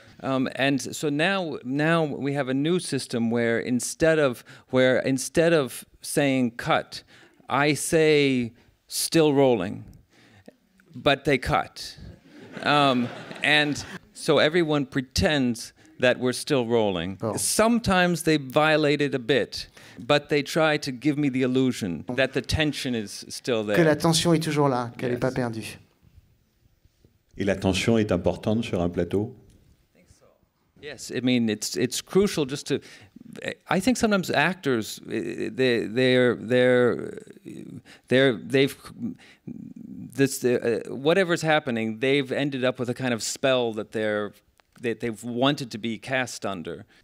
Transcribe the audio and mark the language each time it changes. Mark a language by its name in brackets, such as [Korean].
[English] And so now we have a new system where instead of saying cut, I say still rolling. But they cut. And so everyone pretends that we're still rolling. Oh. Sometimes they violate it a bit, but they try to give me the illusion that the tension is still there. [French] Que la tension est toujours là, qu'elle n'est pas perdue. Et la tension est importante sur un plateau? [English] I think so. Yes, I mean, it's crucial just to... I think sometimes actors, whatever's happening, they've ended up with a kind of spell that they've wanted to be cast under.